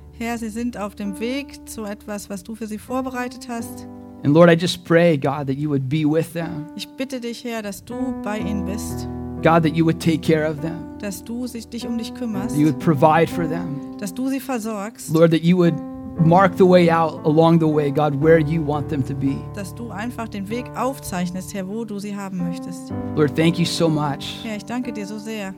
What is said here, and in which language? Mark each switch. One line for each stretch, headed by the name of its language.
German: Herr, sie sind auf dem Weg zu etwas, was du für sie vorbereitet hast.
English: And Lord, I just pray, God, that you would be with them.
German: Ich bitte dich, Herr, dass du bei ihnen bist.
English: God, that you would take care of them.
German: Dass du dich um dich kümmerst.
English: You would provide for them.
German: Dass du sie versorgst.
English: Lord, that you would mark the way out along the way, God, where you want them to be.
German: Dass du einfach den Weg aufzeichnest, Herr, wo du sie haben möchtest.
English: Lord, thank you so much.
German: Herr, ich danke dir so sehr.